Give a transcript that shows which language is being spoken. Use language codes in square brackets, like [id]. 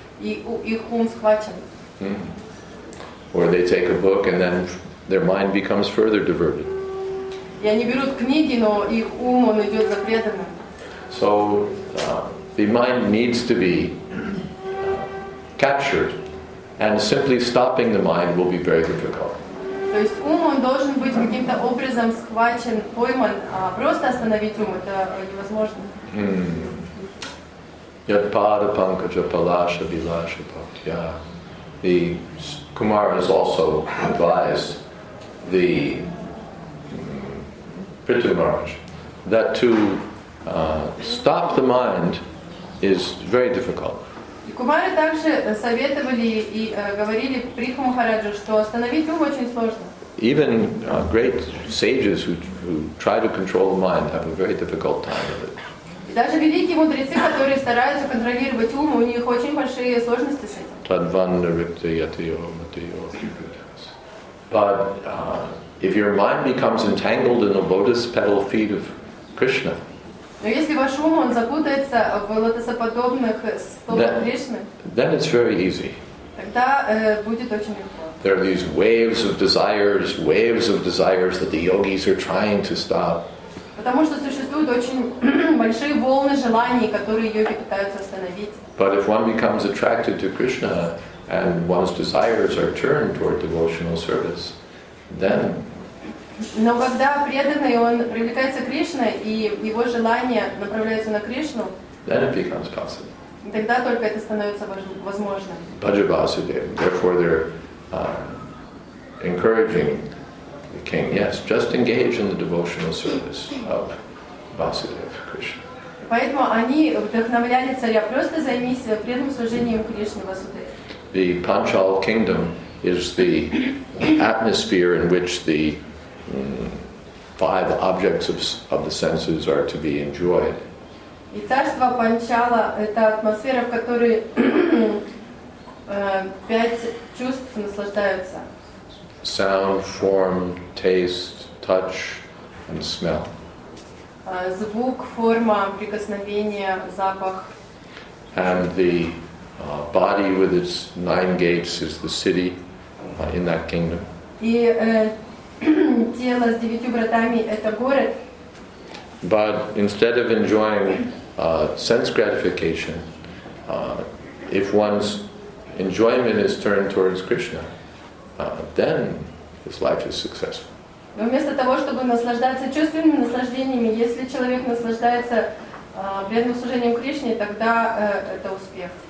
[ru] И их ум схвачен. [en] Or they take a book and then their mind becomes further diverted. [ru] И они берут книги, но их ум, он идет за преданным. [en] So, the mind needs to be captured, and simply stopping the mind will be very difficult. [ru] То есть ум, он должен быть каким-то образом схвачен, пойман, а просто остановить ум, это невозможно. [sa] Yadpada pankaja palasha vilasha bhaktya. [en] The Kumaras also advised the Prithu Maharaj that to stop the mind is very difficult. [ru] Кумары также советовали и говорили Прихму Махараджу, что остановить ум очень сложно. [en] Even great sages who try to control the mind have a very difficult time with it. [ru] И даже великие мудрецы, которые стараются контролировать ум, у них очень большие сложности с этим. [sa] Тадванна рикти ятио матио. [en] But if your mind becomes entangled in the lotus petal feet of Krishna, [ru] но если ваш ум, он запутается в лотосоподобных стопах Кришны, [en] then it's very easy. [ru] Тогда будет очень легко. [en] There are these waves of desires that the yogis are trying to stop. But [ru] потому что существуют очень большие волны желаний, которые йоги пытаются остановить. [en] But if one becomes attracted to Krishna and one's desires are turned toward devotional service, then. [ru] Но когда преданный он привлекается к Кришне и его желания направляются на Кришну, [en] then it becomes possible. [ru] Тогда только это становится возможным. [en] Bhajavasudev, therefore they're encouraging the king, yes, just engage in the devotional service of Vasudev Krishna. [ru] Поэтому они вдохновляли царя, просто займись преданным служением Кришне Васудеве. [en] The Panchal kingdom is the atmosphere in which the five objects of the senses are to be enjoyed. [ru] И царство Панчала — это атмосфера, в которой пять чувств наслаждаются. [en] Sound, form, taste, touch, and smell. [ru] Звук, форма, прикосновение, запах. [en] And the body with its nine gates is the city in that kingdom. [ru] И тело с девятью вратами — это город. [en] But instead of enjoying sense gratification, if one's enjoyment is turned towards Krishna, then his life is successful. [ru] Но вместо того, чтобы наслаждаться чувственными наслаждениями, если человек наслаждается преданным служением Кришне, тогда это успех.